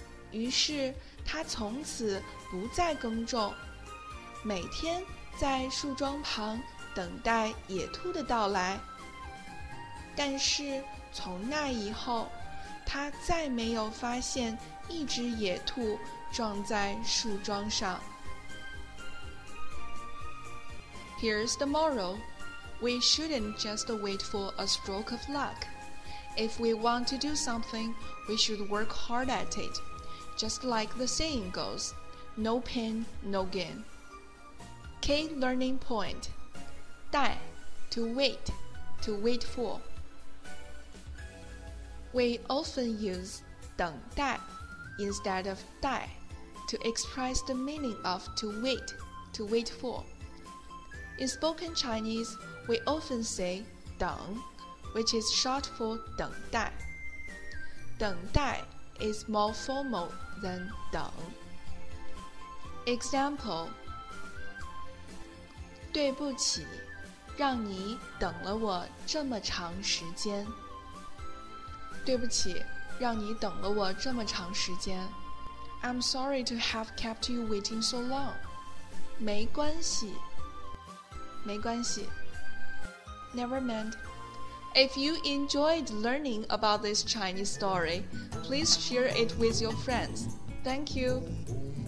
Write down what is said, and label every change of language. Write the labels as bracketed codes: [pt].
[zh] 于是他从此不再耕种，每天在树桩旁等待野兔的到来。但是从那以后，他再没有发现一只野兔撞在树桩上。 [en] Here's the moral. We shouldn't just wait for a stroke of luck. If we want to do something, we should work hard at it. Just like the saying goes, no pain, no gain. Key learning point. 待, to wait for. We often use 等待 instead of 待 to express the meaning of to wait for. In spoken Chinese, we often say 等, which is short for 等待. 等待 is more formal than 等. [zh] Example 对不起,让你等了我这么长时间。对不起,让你等了我这么长时间。 [en] I'm sorry to have kept you waiting so long. [zh] 没关系。没关系。 [en] Never mind. If you enjoyed learning about this Chinese story, please share it with your friends. Thank you.